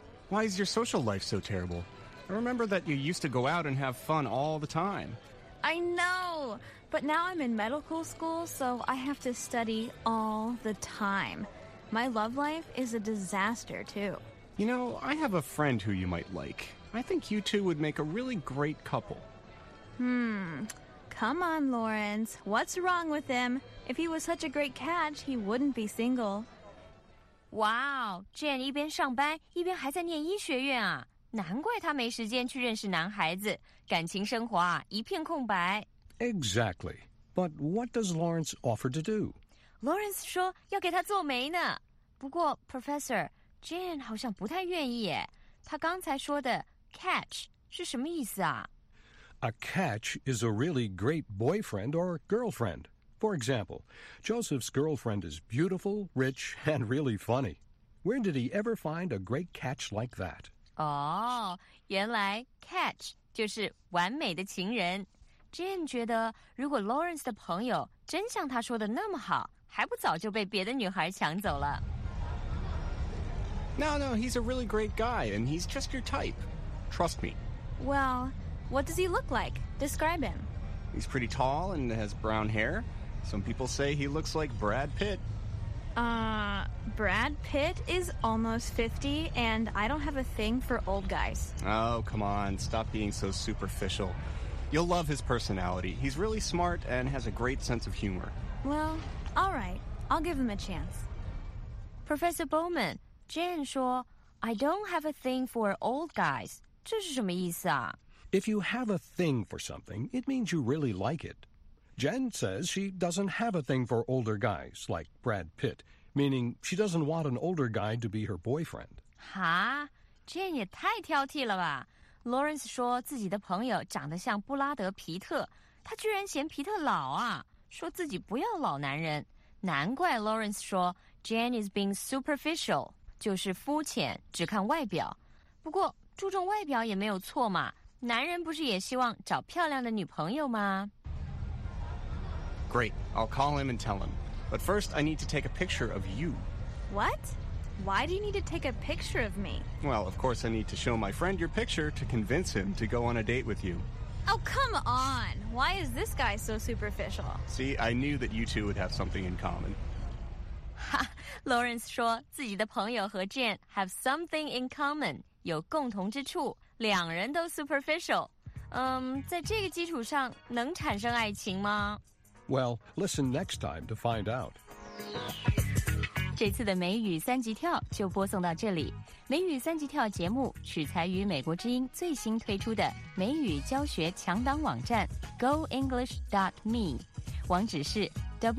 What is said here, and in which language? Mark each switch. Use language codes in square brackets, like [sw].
[en] Why is your social life so terrible? I remember that you used to go out and have fun all the time. I know, but now I'm in medical school, so I have to study all the time. My love life is a disaster, too. You know, I have a friend who you might like. I think you two would make a really great couple. Come on, Lawrence. What's wrong with him? If he was such a great catch, he wouldn't be single. [zh] Wow, Jen 一边上班，一边还在念医学院啊。难怪他没时间去认识男孩子，感情生活啊，一片空白。 [en] Exactly. But what does Lawrence offer to do? [zh] Lawrence 说要给他做媒呢。不过 Professor, Jane 好像不太愿意耶。他刚才说的 catch 是什么意思啊？ [en] A catch is a really great boyfriend or girlfriend. For example, Joseph's girlfriend is beautiful, rich, and really funny. Where did he ever find a great catch like that? [zh] 哦，原来 catch 就是完美的情人。 Jane 觉得，如果 Lawrence 的朋友真像他说的那么好，还不早就被别的女孩抢走了。 [en] No, he's a really great guy, and he's just your type. Trust me. Well, what does he look like? Describe him. He's pretty tall and has brown hair. Some people say he looks like Brad Pitt. Brad Pitt is almost 50, and I don't have a thing for old guys. Oh, come on, stop being so superficial. You'll love his personality. He's really smart and has a great sense of humor. Well, all right, I'll give him a chance. Professor Bowman, Jen 说, I don't have a thing for old guys. [zh] 这是什么意思啊? [en] If you have a thing for something, it means you really like it. Jen says she doesn't have a thing for older guys, like Brad Pitt, meaning she doesn't want an older guy to be her boyfriend. [zh] Huh? Jen 也太挑剔了吧。 Lawrence 说自己的朋友长得像布拉德·皮特，他居然嫌皮特老啊，说自己不要老男人。难怪 Lawrence 说 [en] Jen is being superficial, [zh] 就是肤浅，只看外表。不过注重外表也没有错嘛，男人不是也希望找漂亮的女朋友吗？ [en] Great. I'll call him and tell him. But first, I need to take a picture of you. What? Why do you need to take a picture of me? Well, of course, I need to show my friend your picture to convince him to go on a date with you. Oh, come on. Why is this guy so superficial? See, I knew that you two would have something in common. Ha! [zh] Lawrence 说自己的朋友和 Jen [en] have something in common, [zh] 有共同之处，两人都 superficial. 在这个基础上能产生爱情吗？ [en] Well, listen next time to find out. [zh] 这次的美语三级跳就播送到这里。美语三级跳节目取材于美国之音最新推出的美语教学强档网站 goenglish.me， 网址是 w